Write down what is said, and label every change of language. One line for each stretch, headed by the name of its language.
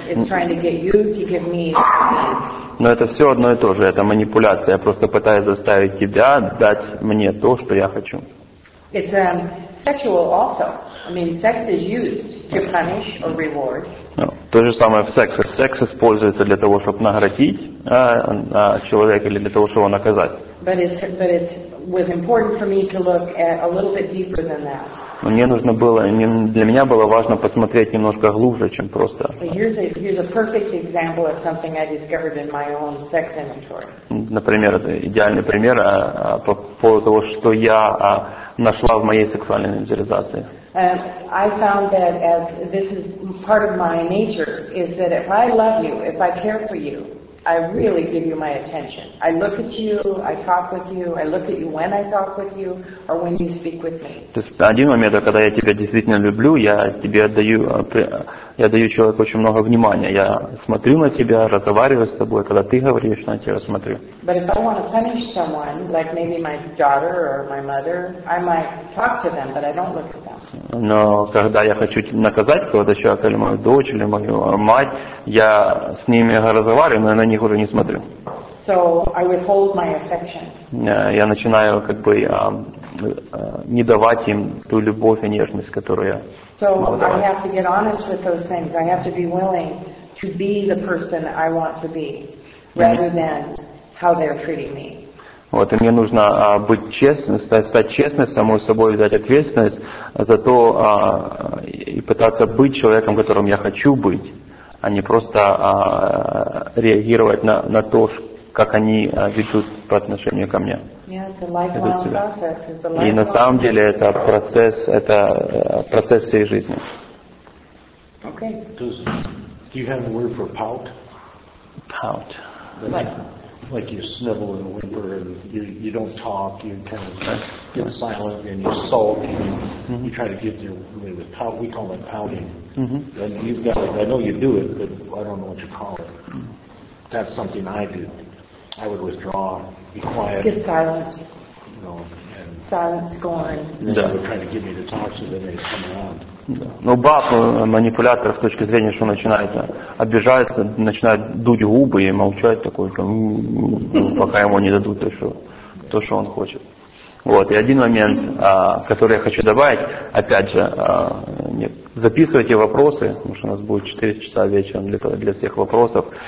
English: It's trying to get you to give me.
Russian: Но это все одно и то же. Это манипуляция. Я просто пытаюсь заставить тебя дать мне то, что я хочу.
English: It's sexual also. I mean, sex is used to punish or reward.
Russian: То же самое в сексе. Секс используется для того, чтобы наградить человека или для того, чтобы его наказать.
English: But it was important for me to look at a little bit deeper than that.
Russian: Для меня было важно посмотреть немножко глубже, чем просто.
English: Here's a perfect example of something I discovered in my own sex inventory.
Russian: Например, это идеальный пример по поводу того, что я нашла в моей сексуальной инвентаризации.
English: I found that as this is part of my nature is that if I love you, if I care for you, I really give you my attention. I look at you, I talk with you, I look at you when I talk with you or when you speak with me.
Russian: То есть один момент, когда я тебя действительно люблю, я тебе отдаю человеку очень много внимания. Я смотрю на тебя, разговариваю с тобой, когда ты говоришь, на тебя смотрю.
English: But if I want to punish someone, like maybe my daughter or my mother, I might talk to them, but I don't look at them.
Russian: Но когда я хочу наказать кого-то, человека, или мою дочь, или мою мать, я с ними разговариваю, но на них уже не смотрю.
English: So I withhold my affection.
Russian: Я начинаю как бы не давать им ту любовь и нежность, которую я
English: So I have to get honest with those things. I have to be willing to be the person I want to be, rather than how they're treating me.
Russian: Вот, и мне нужно быть честным, стать честным самой собой, взять ответственность за то и пытаться быть человеком, которым я хочу быть, а не просто реагировать на то, как они ведут по отношению ко мне.
English: Yeah, it's a lifelong process. It's a lifelong
Russian: и на самом деле это процесс всей жизни.
English: Okay. Do you have the word for pout? Pout. Like you snivel and whimper and you don't talk, you kind of get silent and you sulk and you try to get your way with pout. We call it pouting. Mm-hmm. And you've got it. I know you do it, but I don't know what you call it. That's something I do. I would withdraw, be quiet. Get silent. You know, and silent, scorn. And then they would try to get me to talk, so then they'd come around.
Russian: Ну, баб, манипулятор с точки зрения, что начинается, обижается, начинает дуть губы и молчать такой, пока ему не дадут то, что он хочет. Вот, и один момент, который я хочу добавить, опять же, записывайте вопросы, потому что у нас будет 4 часа вечером для всех вопросов.